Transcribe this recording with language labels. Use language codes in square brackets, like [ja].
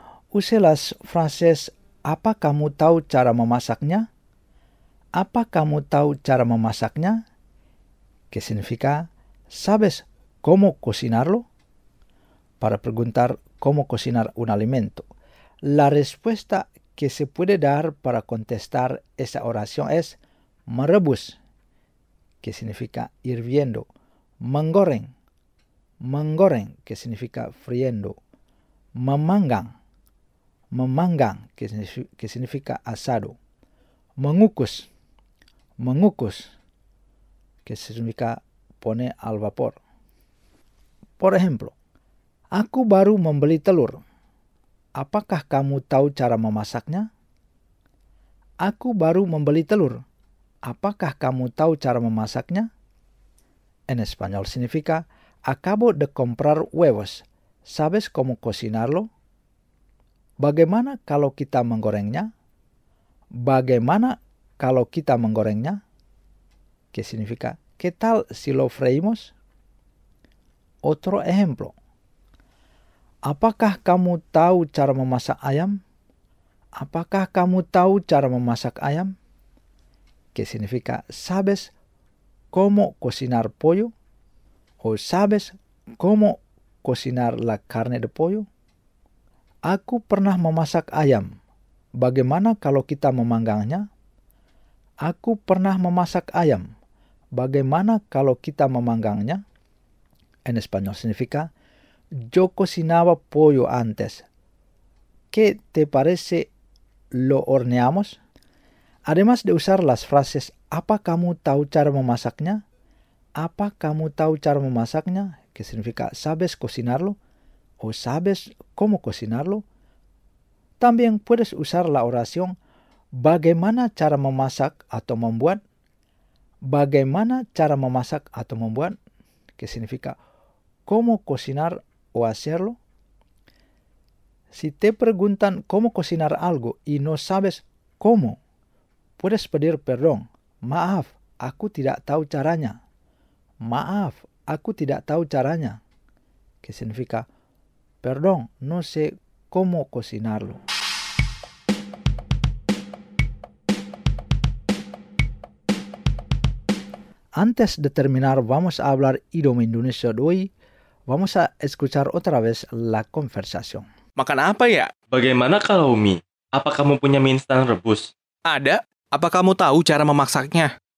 [es] Use las frases [id] apa kamu tahu cara memasaknya? Apa kamu tahu cara memasaknya? [es] Que significa, ¿sabes cómo cocinarlo? Para preguntar cómo cocinar un alimento. La respuesta que se puede dar para contestar esa oración es merebus, que significa hirviendo. [id] Menggoreng. Menggoreng, [es] que significa friendo. [id] Memanggang. [es] Memanggang, que significa asado. Mengukus. Mengukus, que significa pone al vapor. Por ejemplo, [id] aku baru membeli telur. Apakah kamu tahu cara memasaknya? Aku baru membeli telur. Apakah kamu tahu cara memasaknya? [es] En español significa acabo de comprar huevos. ¿Sabes cómo cocinarlo? [id] Bagaimana kalau kita menggorengnya? Bagaimana kalau kita menggorengnya? [es] Que significa ¿qué tal si lo freímos? Otro ejemplo. [id] ¿Apakah kamu tahu cara memasak ayam? ¿Apakah kamu tahu cara memasak ayam? [es] ¿Qué significa sabes cómo cocinar pollo? ¿O sabes cómo cocinar la carne de pollo? [id] Aku pernah memasak ayam. Bagaimana kalau kita memanggangnya? Aku pernah memasak ayam. Bagaimana kalau kita memanggangnya? [es] En español significa, yo cocinaba pollo antes. ¿Qué te parece lo horneamos? Además de usar las frases, [id] ¿apa kamu tahu cara memasaknya? ¿Apa kamu tahu cara memasaknya? [es] Que significa, ¿sabes cocinarlo? ¿O sabes cómo cocinarlo? También puedes usar la oración, [id] ¿bagaimana cara memasak atau membuat? ¿Bagaimana cara memasak atau membuat? [es] Que significa, ¿cómo cocinar o hacerlo? Si te preguntan cómo cocinar algo y no sabes cómo, puedes pedir perdón. [id] Maaf, aku tidak tahu caranya. Maaf, aku tidak tahu caranya. [es] Que significa, perdón, no sé cómo cocinarlo. Antes de terminar, vamos a hablar idioma indonesio de hoy. Vamos a escuchar otra vez la conversación. [id] Makan apa ya? Bagaimana kalau mie? Apa kamu punya mie instan rebus? Ada. Apa kamu tahu cara memasaknya?